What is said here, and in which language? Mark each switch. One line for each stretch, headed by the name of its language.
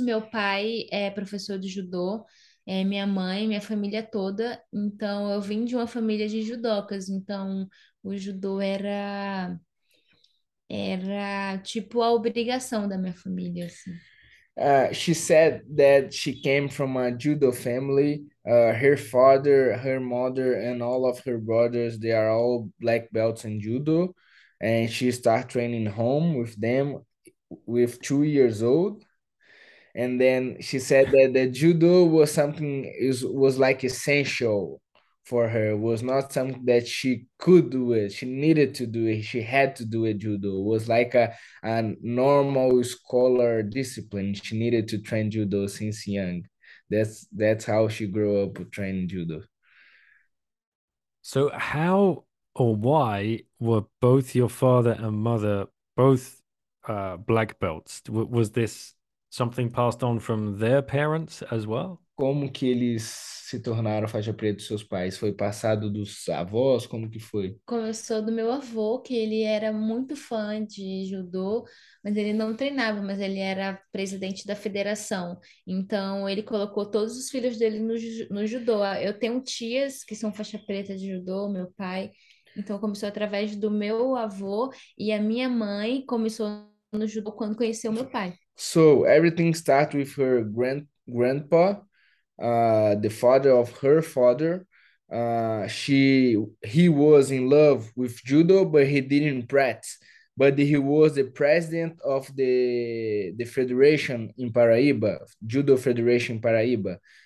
Portuguese: Meu pai é professor de judô, minha mãe, minha família toda. Então, eu vim de uma família de judocas. Então, o judô era tipo a obrigação da minha família, assim.
English: She said that she came from a judo family. Her father, her mother, and all of her brothers, they are all black belts in judo. And she started training home with them with 2 years old. And then she said that the judo was something is was like essential for her. It was not something that she could do it. She needed to do it. She had to do a judo. It was like a normal scholar discipline. She needed to train judo since young. That's how she grew up training judo. So, how or why were both your father and mother both black belts? W was this something passed on from their parents as well?
Portuguese: Como que eles se tornaram faixa preta dos seus pais? Foi passado dos avós? Como que foi? Começou do meu avô, que ele era muito fã de judô, mas ele não treinava, mas ele era presidente da federação. Então, ele colocou todos os filhos dele no judô. Eu tenho tias que são faixa preta de judô, meu pai. Então, começou através do meu avô e a minha mãe começou no judô quando conheceu meu pai.
English: So everything starts with her grandpa, the father of her father. He was in love with judo, but he didn't practice. But he was the president of the federation in Paraíba, Judo Federation Paraíba.